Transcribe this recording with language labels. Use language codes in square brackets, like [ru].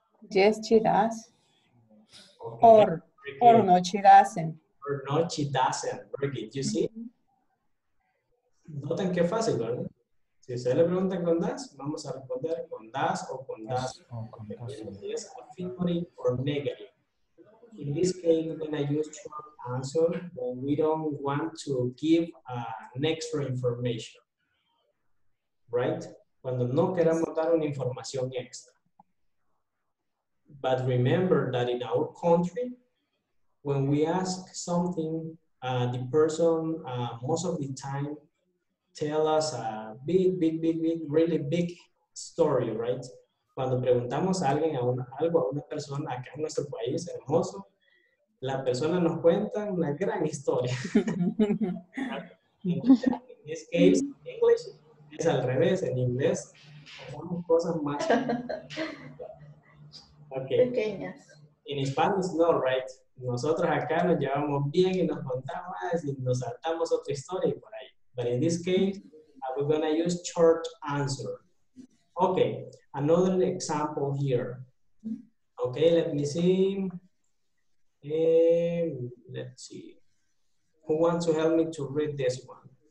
[en] Yes, she does. Okay. Or no, she doesn't. Or no, she doesn't. Very good, you see? [es] Noten qué fácil, ¿verdad? Si ustedes le preguntan con das, vamos a responder con das o con das. [en] Es affirmative or negative. In this case, we're going to use short answer when we don't want to give an extra information. Right? [es] Cuando no queramos dar una información extra. [en] But remember that in our country, when we ask something, the person, most of the time, tell us a big, really big story, right? [es] Cuando preguntamos a alguien, algo a una persona acá en nuestro país, hermoso, la persona nos cuenta una gran historia. En este caso, en inglés, es al revés. En inglés, hacemos cosas más okay. Pequeñas. En Spanish, no, right? Nosotros acá nos llevamos bien y nos contamos y nos saltamos otra historia y por ahí. [en] But in this case, we're gonna use short answer. Okay, another example here. Okay, let me see. Let's see. Who wants to help me to read this one?